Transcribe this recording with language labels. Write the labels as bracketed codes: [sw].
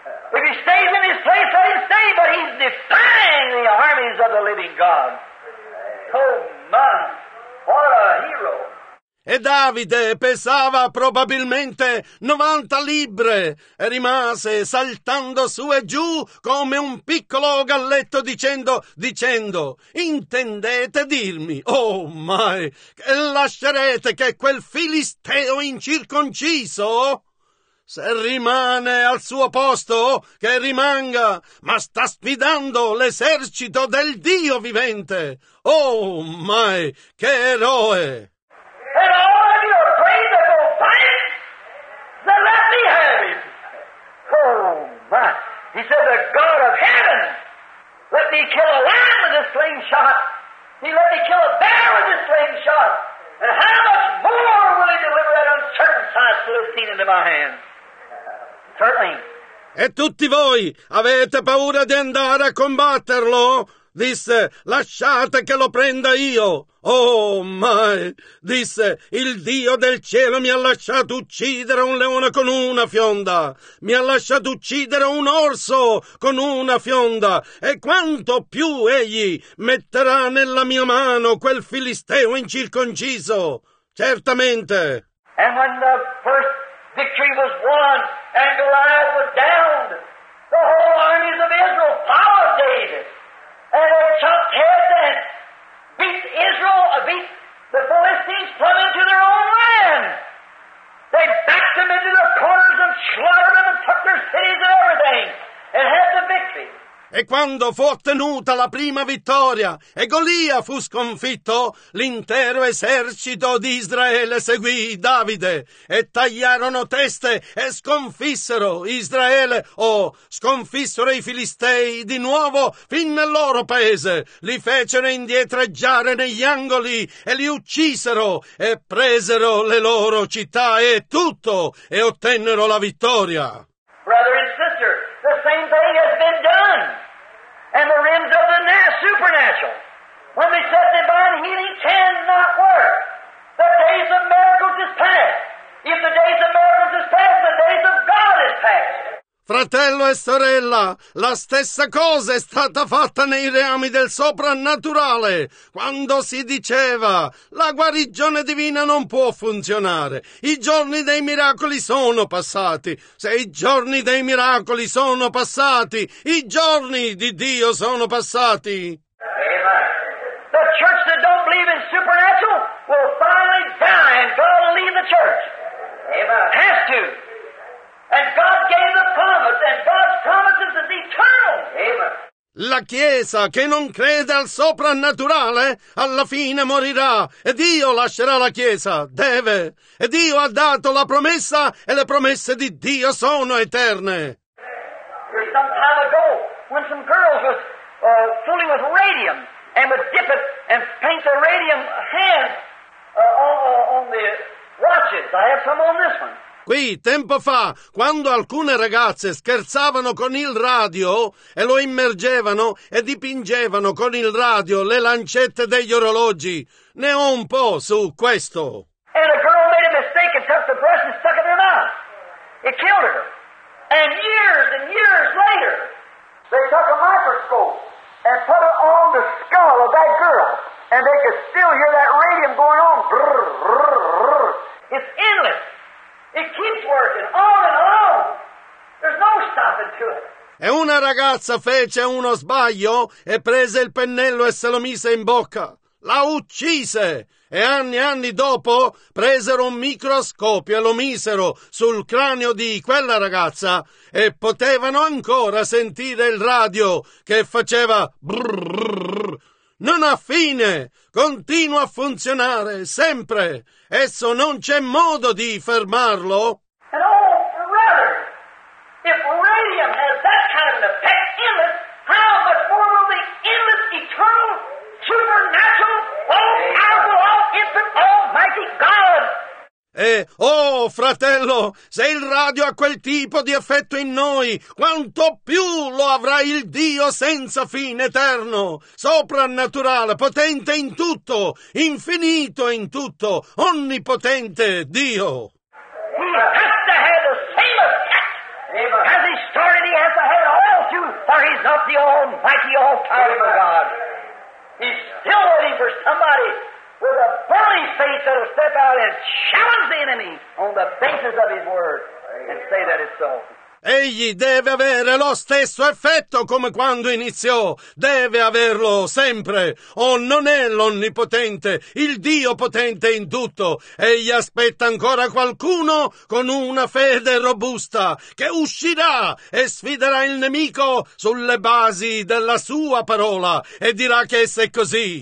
[en] If he stays in his place, let him stay, but he's defying the armies of the living God. Oh, man, what a hero. [it] E Davide pesava probabilmente 90 libbre e rimase saltando su e giù come un piccolo galletto dicendo, intendete dirmi, oh mai, che lascerete che quel filisteo incirconciso... Se rimane al suo posto, che rimanga, ma sta sfidando l'esercito del Dio vivente. Oh, mai, che eroe! [en] And all of you are afraid to go fight? Then let me have him! Oh, my! He said, the God of heaven, let me me kill a lamb with a slingshot. He let me kill a bear with a slingshot. And how much more will he deliver that uncircumcised Philistine into my hands? Certainly. [it] E tutti voi avete paura di andare a combatterlo? Disse, lasciate che lo prenda io. Oh, mai, disse, il Dio del cielo mi ha lasciato uccidere un leone con una fionda. Mi ha lasciato uccidere un orso con una fionda. E quanto più egli metterà nella mia mano quel filisteo incirconciso. Certamente. [en] And when the first victory was won and Goliath was downed, the whole armies of Israel followed David. And they chopped heads and beat the Philistines from into their own land. They backed them into their corners and slaughtered them and took their cities and everything and had the victory. [it] E quando fu ottenuta la prima vittoria e Golia fu sconfitto, l'intero esercito di Israele seguì Davide e tagliarono teste e sconfissero Israele sconfissero i Filistei di nuovo fin nel loro paese. Li fecero indietreggiare negli angoli e li uccisero e presero le loro città e tutto e ottennero la vittoria. [en] Brother and sister, the same thing has been done. And the realms of the supernatural, when they said divine healing cannot work, the days of miracles is past. If the days of miracles is past, the days of God is past. [it] Fratello e sorella, la stessa cosa è stata fatta nei reami del soprannaturale. Quando si diceva, la guarigione divina non può funzionare. I giorni dei miracoli sono passati. Se i giorni dei miracoli sono passati, i giorni di Dio sono passati. [en] Amen. The church that don't believe in supernatural will finally die and God will leave the church. Amen. Has to. And God gave the promise, and God's promises is eternal. Amen. [it] La Chiesa che non crede al soprannaturale alla fine morirà e Dio lascerà la Chiesa. Deve. E Dio ha dato la promessa e le promesse di Dio sono eterne. [en] There was some time ago when some girls was fooling with radium and would dip it and paint the radium hands on the watches. I have some on this one. [it] Qui, tempo fa, quando alcune ragazze scherzavano con il radio e lo immergevano e dipingevano con il radio le lancette degli orologi, ne ho un po' su questo. [en] And a girl made a mistake and took the brush and stuck it in her mouth. It killed her. And years later, they took a microscope and put it on the skull of that girl and they could still hear that radium going on. Brr, brr, brr. It's endless. It keeps working on and on. There's no stopping to it. [it] E una ragazza fece uno sbaglio e prese il pennello e se lo mise in bocca. La uccise. E anni e anni dopo presero un microscopio e lo misero sul cranio di quella ragazza e potevano ancora sentire il radio che faceva brrrr. Non ha fine, continua a funzionare, sempre. Esso non c'è modo di fermarlo. [en] And oh, brother, if radium has that kind of an effect in it, how much more will the endless, eternal, supernatural, all-powerful, all-infant, almighty God? [it] Oh, fratello, se il radio ha quel tipo di effetto in noi, quanto più lo avrà il Dio senza fine eterno, soprannaturale, potente in tutto, infinito in tutto, onnipotente Dio. [en] He has to have the same effect. As he started, he has to have it all too, for he's not the almighty, all-powerful God. He's still waiting for somebody with a burning faith that'll step out and challenge the enemy on the basis of his word and say that it's so. [it] Egli deve avere lo stesso effetto come quando iniziò, deve averlo sempre. Non è l'onnipotente, il Dio potente in tutto. Egli aspetta ancora qualcuno con una fede robusta che uscirà e sfiderà il nemico sulle basi della sua parola e dirà che se è così.